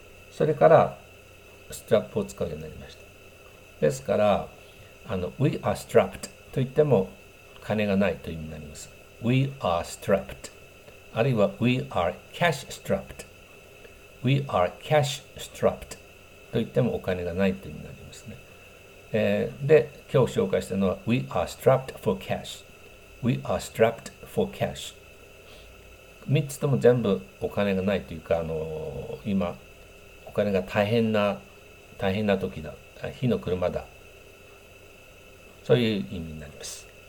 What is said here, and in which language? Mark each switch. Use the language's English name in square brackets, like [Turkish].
[Japanese] それからストラップを使うようになりました。ですから [English] We are strapped [Japanese] と言っても金がないという意味になります。 [English] We are strapped、 [Japanese] あるいは [English] We are cash strapped、 [Japanese] We are cash strapped と言ってもお金がないという意味になりますね。で、今日紹介したのは [English] We are strapped for cash、We are strapped for cash。 [Japanese] 3つとも全部お金がないというか、今お金が大変な時だ、火の車だ、そういう意味になります。